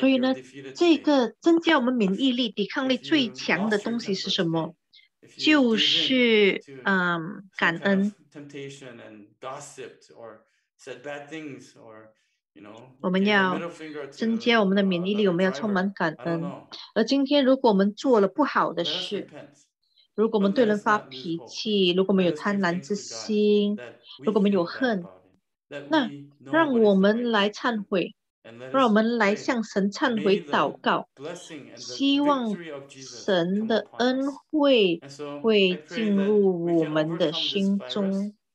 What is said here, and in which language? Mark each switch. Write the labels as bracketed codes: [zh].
[zh] 所以呢，这个增加我们免疫力、抵抗力最强的东西是什么？就是感恩。 [en] Temptation and gossip or said bad things or you know. [zh] 我们要增加我们的免疫力，我们要充满感恩。而今天，如果我们做了不好的事，如果我们对人发脾气，如果我们有贪婪之心，如果我们有恨，那让我们来忏悔，让我们来向神忏悔祷告，希望神的恩惠会进入我们的心中。